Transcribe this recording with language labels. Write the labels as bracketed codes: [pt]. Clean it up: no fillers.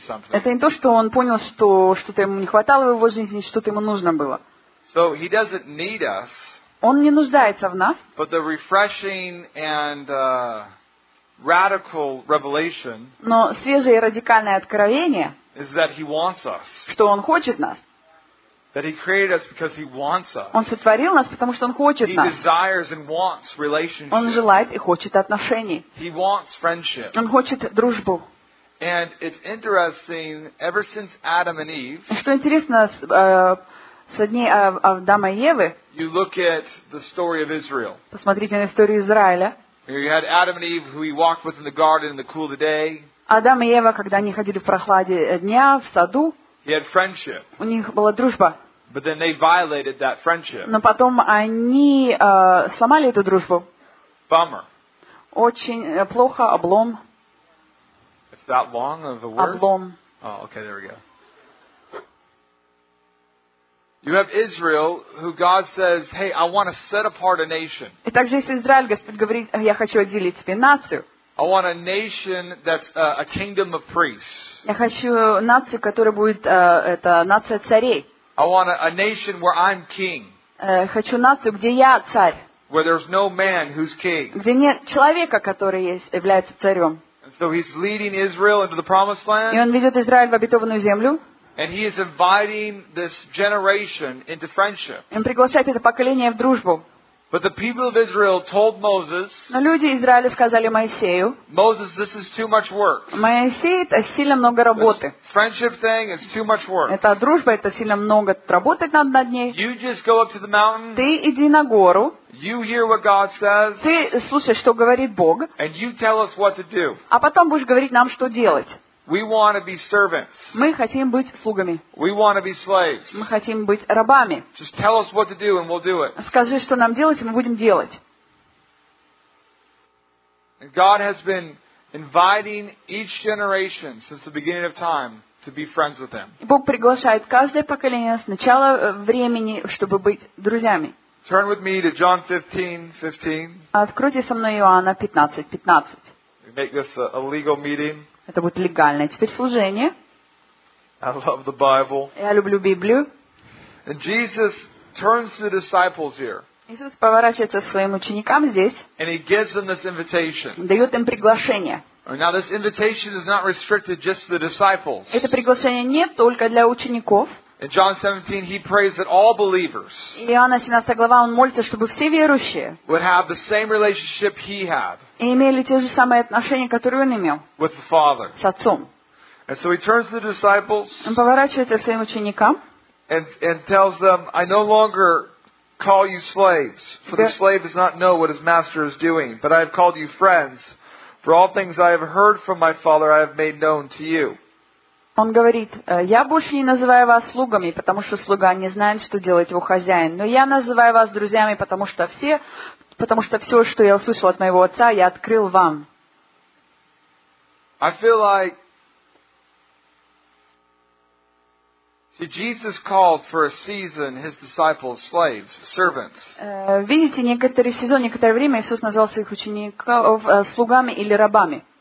[ru] Это не то, что он понял, что что-то ему не хватало в его жизни, что-то ему нужно было. [en] So he doesn't need us, [ru] он не нуждается в нас. [en] But the refreshing and, radical revelation, [ru] но свежее и радикальное откровение, [en] is that he wants us. [ru] Что он хочет нас. [en] That he created us because he wants us. [ru] Он сотворил нас, потому что он хочет нас. [en] He desires and wants relationships. [ru] Он желает и хочет отношений. [en] He wants friendship. [ru] Он хочет дружбу. [en] And it's interesting, ever since Adam and Eve. [ru] Что интересно, со дней Адама и Евы. [en] You look at the story of Israel. [ru] Посмотрите на историю Израиля. [en] You had Adam and Eve, who he walked with in the garden in the cool of the day. [ru] Адам и Ева, когда они ходили в прохладе дня в саду. [en] He had friendship. [ru] У них была дружба. [en] But then they violated that friendship. [ru] Но потом они сломали эту дружбу. [en] Bummer. [ru] Очень плохо, облом. [en] It's that long of a word? [ru] Облом. [en] Oh, okay, there we go. You have Israel, who God says, "Hey, I want to set apart a nation." [ru] И также есть Израиль, Господь говорит, я хочу отделить тебе нацию. [en] I want a nation that's a kingdom of priests. [ru] Я хочу нацию, которая будет это нация царей. [en] I want a nation where I'm king. [ru] Хочу нацию, где я царь. [en] Where there's no man who's king. [ru] Где нет человека, который является царем. [en] And so he's leading Israel into the promised land. [ru] И он ведет Израиль в обетованную землю. [en] And he is inviting this generation into friendship. [ru] Он приглашает это поколение в дружбу. [en] But the people of Israel told Moses. [ru] Но люди Израиля сказали Моисею. [en] Moses, this is too much work. [ru] Моисей, это сильно много работы. [en] This friendship thing is too much work. [ru] Это дружба, это сильно много работать надо над ней. [en] You just go up to the mountain. [ru] Ты иди на гору. [en] You hear what God says. [ru] Ты слушай, что говорит Бог. [en] And you tell us what to do. [ru] А потом будешь говорить нам, что делать. [en] We want to be servants. [ru] Мы хотим быть слугами. [en] We want to be slaves. [ru] Мы хотим быть рабами. [en] Just tell us what to do and we'll do it. [ru] Скажи, что нам делать, и мы будем делать. [en] And God has been inviting each generation since the beginning of time to be friends with them. [ru] Бог приглашает каждое поколение с начала времени, чтобы быть друзьями. [en] Turn with me to John 15:15. [ru] Откройте со мной Иоанна 15:15. [en] Make this a legal meeting. [ru] Это будет легальное теперь служение. [en] I love the Bible. [ru] Я люблю Библию. [en] And Jesus turns to the disciples here. [ru] Иисус поворачивается к своим ученикам здесь. [en] And he gives them this invitation. [ru] Дает им приглашение. [en] Now this invitation is not restricted just to the disciples. [ru] Это приглашение не только для учеников. [en] In John 17, he prays that all believers. [ru] Иоанна 17 глава, он молится, чтобы все верующие. [en] Would have the same relationship he had. [ru] Имели те же самые отношения, которые он имел. [en] With the Father. [ru] С отцом. [en] And so he turns to the disciples. [ru] Он поворачивается к своим ученикам. [en] And tells them, I no longer call you slaves, for the slave does not know what his master is doing, but I have called you friends, for all things I have heard from my Father I have made known to you. [ru] Он говорит, я больше не называю вас слугами, потому что слуга не знает, что делать его хозяин. Но я называю вас друзьями, потому что все, что я услышал от моего отца, я открыл вам. [en] I feel like... See, Jesus called for a season his disciples slaves, servants. [ru] Видите, некоторый сезон, некоторое время Иисус назвал своих учеников слугами или рабами.